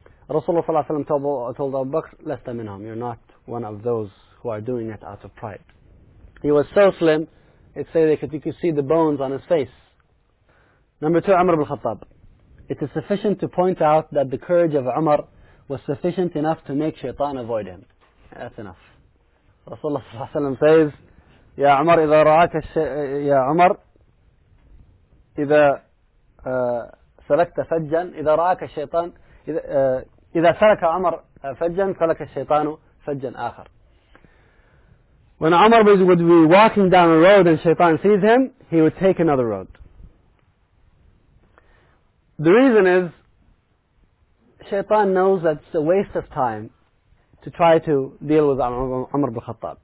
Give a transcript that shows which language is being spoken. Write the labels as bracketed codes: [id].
[en] Rasulullah told Abu Bakr, [ar] lasta minhum, [en] you're not one of those who are doing it out of pride. He was so slim, it said that you could see the bones on his face. Number two, Umar ibn Khattab. It is sufficient to point out that the courage of Umar was sufficient enough to make shaitan avoid him. That's enough. [ar] Rasulullah sallallahu alayhi wa sallam says, Ya Umar, إذا رأك الشيء, Ya Umar, إذا سلكت فجا, إذا رأك الشيطان, إذا سلك عمر فجا, سلك الشيطان فجا آخر. [en] When Umar would be walking down a road and shaitan sees him, he would take another road. The reason is, Shaitan knows that it's a waste of time to try to deal with Umar ibn Khattab.